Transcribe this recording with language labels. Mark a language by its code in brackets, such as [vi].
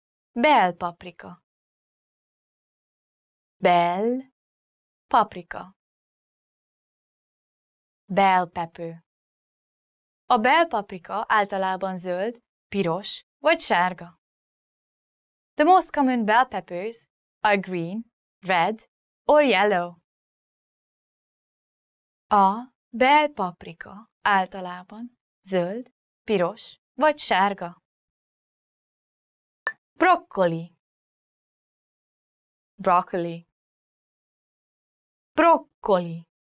[hu] Bell paprika. Bell paprika. [en] Bell pepper. [hu] A bell paprika általában zöld, piros vagy sárga. [en] The most common bell peppers are green, red, or yellow. [hu] A bell paprika általában zöld, piros vagy sárga. Broccoli. [en] Broccoli. [hu] Broccoli.